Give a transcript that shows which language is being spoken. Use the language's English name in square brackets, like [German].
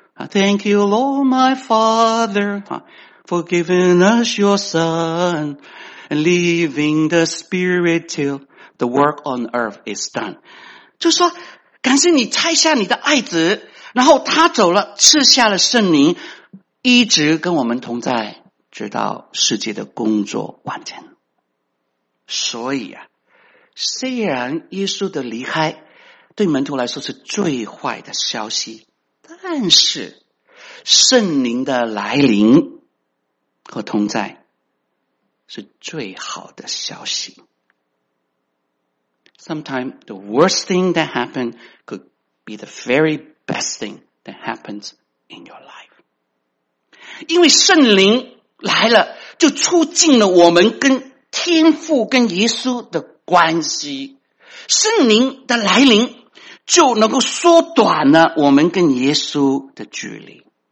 [English] Thank you, Lord, my Father, for giving us your Son, and leaving the Spirit till the work on earth is done. [Chinese] 就说感谢你差下你的爱子，然后他走了，赐下了圣灵，一直跟我们同在，直到世界的工作完成。所以啊，虽然耶稣的离开对门徒来说是最坏的消息，但是圣灵的来临和同在是最好的消息。 [English] Sometimes the worst thing that happened could be the very best thing that happens in your life. [Chinese] 因为圣灵来了，就促进了我们跟天父跟耶稣的关系。圣灵的来临就能够缩短了我们跟耶稣的距离。